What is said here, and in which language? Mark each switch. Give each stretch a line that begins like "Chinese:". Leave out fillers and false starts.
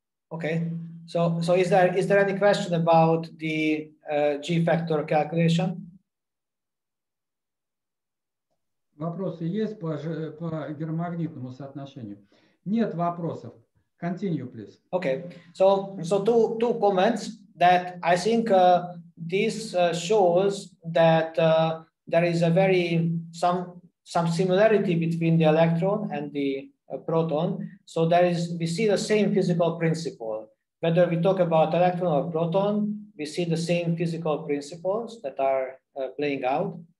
English: Okay, so is there any question about the G factor calculation?
Russian: Вопросы есть по гермагнитному соотношению? Нет вопросов.
English: Continue, please. Okay, so two comments that I think this shows that there is a very some similarity between the electron and the proton. So we see the same physical principle. Whether we talk about electron or proton, we see the same physical principles that are playing out.